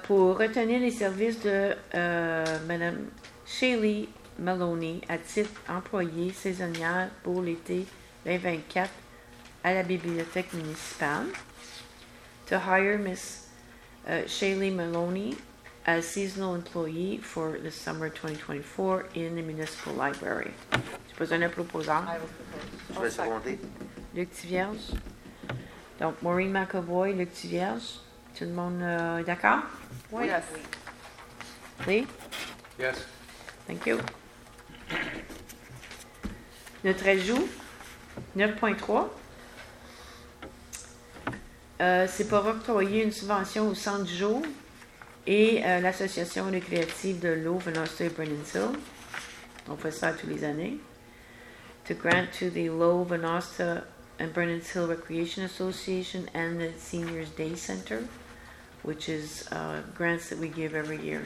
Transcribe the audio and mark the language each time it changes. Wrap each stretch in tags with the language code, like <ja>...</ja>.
<fr>Pour retenir les services de Mme Shaylee Maloney à titre employée saisonnière pour l'été 2024 à la bibliothèque municipale.</fr> <en>To hire Ms. Shaylee Maloney as seasonal employee for the summer 2024 in the municipal library.</en> <fr>Tu peux donner un proposant? Je vais seconder. Luc Thivierge. Donc, Maureen McEvoy, Luc Thivierge. Tout le monde est d'accord? Oui.</fr> <en>Yes.</en> <fr>Oui?</fr> <en>Yes. Thank you.</en> <fr>Notre ajout, 9.3. C'est pour octroyer une subvention au Centre du jour et l'Association récréative de l'eau Venosta et Brennan-Sill. On fait ça tous les années.</fr> <en>To grant to the Lowe Venosta and Brennan-Sill Recreation Association and the Seniors Day Center, which is grants that we give every year.</en>